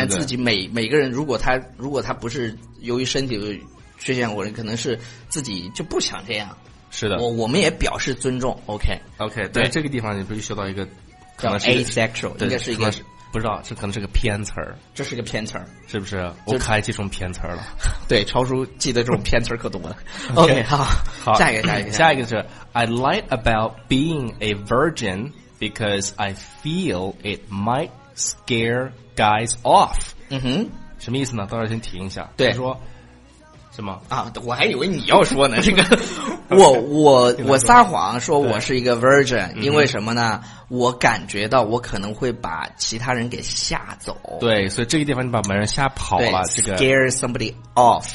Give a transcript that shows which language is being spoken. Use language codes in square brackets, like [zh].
[zh] 反正自己每个人，如果他不是由于身体的缺陷，或者可能是自己就不想这样。是的，我们也表示尊重。OK，对，这个地方你不是学到一个可能是 asexual， 应该是一个。不知道，这可能是个偏词儿。这是个偏词儿，是不是？我可爱记这种偏词儿了。对，超叔记得这种偏词儿可多了。 OK，好，下一个是 [en] I lied about being a virgin because I feel it might scare guys off。 [zh] 嗯哼，什么意思呢？到这先停一下。对，说什么啊？我还以为你要说呢。这个，我撒谎说我是一个 virgin， 因为什么呢？嗯，我感觉到我可能会把其他人给吓走。对，所以这个地方你把门人吓跑了。这个 [en] scare somebody off。